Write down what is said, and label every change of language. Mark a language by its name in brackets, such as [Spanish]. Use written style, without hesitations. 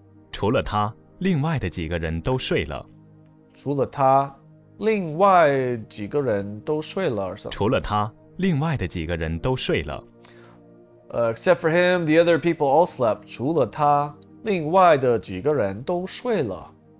[Chinese] 除了他，另外的几个人都睡了。除了他，另外几个人都睡了。除了他，另外的几个人都睡了。 [English] Except for him, the other people all slept. [Chinese] 除了他，另外的几个人都睡了。